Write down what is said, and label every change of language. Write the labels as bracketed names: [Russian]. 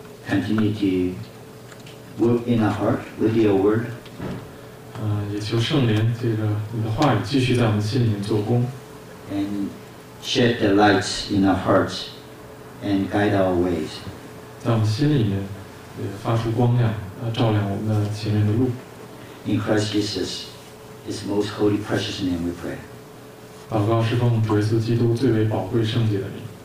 [English] continue to work in our heart with your word. [Chinese] 也求圣灵借着你的话语继续在我们心里面做工。 [English] And shed the light in our hearts and guide our ways. [Chinese] 在我们心里面也发出光亮，照亮我们的前面的路。 [English] In Christ Jesus, His most holy, precious name, we pray. [Chinese] 祷告是奉主耶稣基督最为宝贵圣洁的名。